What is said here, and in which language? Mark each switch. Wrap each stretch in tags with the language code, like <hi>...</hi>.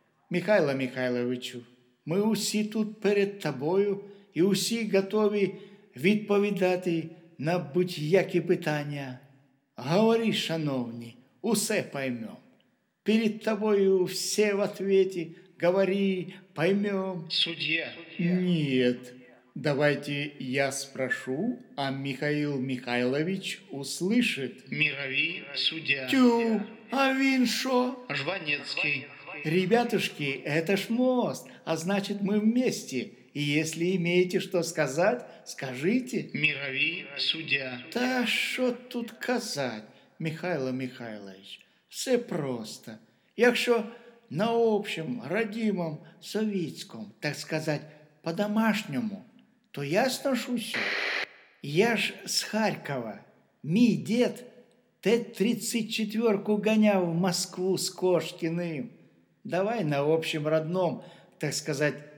<uk>Михайло Михайловичу, ми усі тут перед тобою і усі готові відповідати на будь-які питання. Говори, шановні, усе поймем. Перед тобою все в ответі. Говори, поймем. Суддя.</uk> <ru>Нет. Давайте я спрошу, а Михаил Михайлович услышит. Мирови, судья.</ru> <uk>Тю, а він шо?</uk> <ru>Жванецкий. Ребятушки, это ж мост, а значит мы вместе. И если имеете что сказать, скажите. Мирови, судья.</ru> <uk>Да шо тут казать, Михайло Михайлович.</uk> <ru>Все просто.</ru> <uk>Якщо на общем, родимом, советском, так сказать, по-домашнему, то ясно ж усе. Я ж з Харкова. Мій дід Т-34-ку ганяв в Москву з Кошкіним. Давай на общем родном, так сказать,</uk>